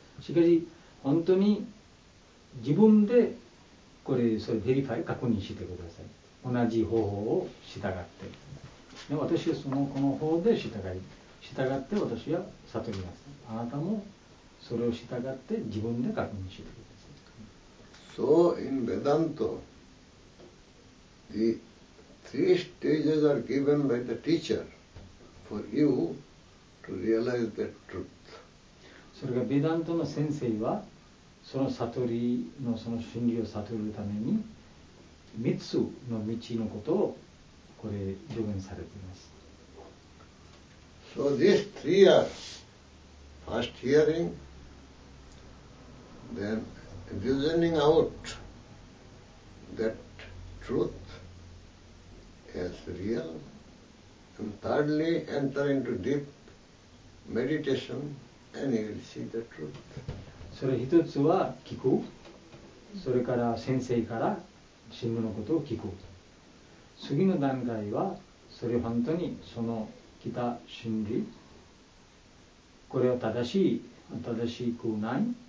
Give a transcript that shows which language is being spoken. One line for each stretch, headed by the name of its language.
Japanese: しかし本当に自分でこれそれデリファイ確認してください。同じ方法を従って。ね、私はそのこの方法で従って私は悟ります。あなたもそれを従って自分で確認してください。
English: So, in Vedanta, the three stages are given by the teacher for you to realize the truth.
Japanese: それが Vedanta の先生は、その悟りの、その真理を悟るために、三つの道のことをこれ、助言されています。
English: So, these three are first hearing, then reasoning out that truth as real, and thirdly enter into deep meditation and you will see the truth.
Japanese: それ一つは聞く、それから先生から真理のことを聞く。次の段階はそれ本当にその来た真理、これは正しい、正しくない。